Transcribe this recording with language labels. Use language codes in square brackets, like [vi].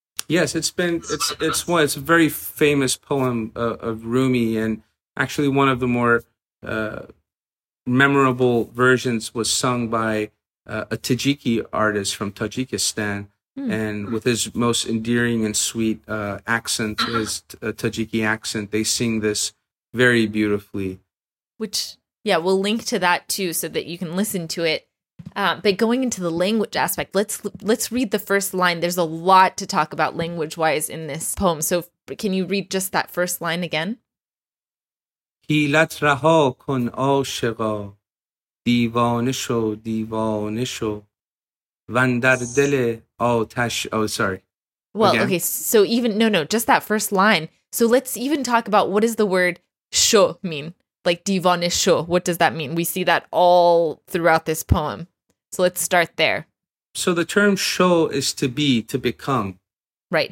[en] Yes, it's a very famous poem of Rumi, and actually one of the more memorable versions was sung by a Tajiki artist from Tajikistan, and with his most endearing and sweet accent, his Tajiki accent, they sing this very beautifully. Which, yeah, we'll link to that too so that you can listen to it. But going into the language aspect, let's read the first line. There's a lot to talk about language-wise in this poem. So can you read just that first line again? [fa] حیلت رها کن عاشقا دیوانه شو دیوانه شو وندر دل آتش [en] Well, again. Okay, so even, no, just that first line. So let's even talk about what does the word شو mean? Like [fa] دیوانه شو, [en] what does that mean? We see that all throughout this poem. So let's start there. So the term sho is to be, to become. Right.